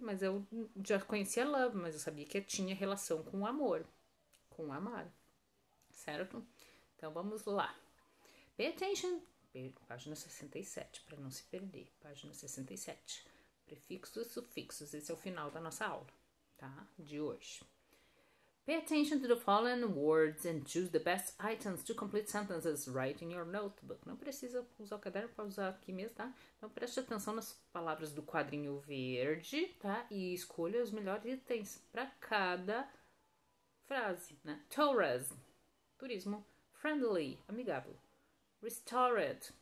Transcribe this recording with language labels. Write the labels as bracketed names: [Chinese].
[Portuguese] Mas eu já conhecia love, mas eu sabia que tinha relação com amor. Com amar. Certo? Então vamos lá. [English] Pay attention. [Portuguese] Página 67, para não se perder. Página 67. Prefixos e sufixos. Esse é o final da nossa aula, tá? De hoje. [English] Pay attention to the following words and choose the best items to complete sentences. Write in your notebook. [Portuguese] Não precisa usar o caderno, pode usar aqui mesmo, tá? Então preste atenção nas palavras do quadrinho verde, tá? E escolha os melhores itens para cada frase, né? [English] Tourism, turismo. Friendly, amigável. Restored.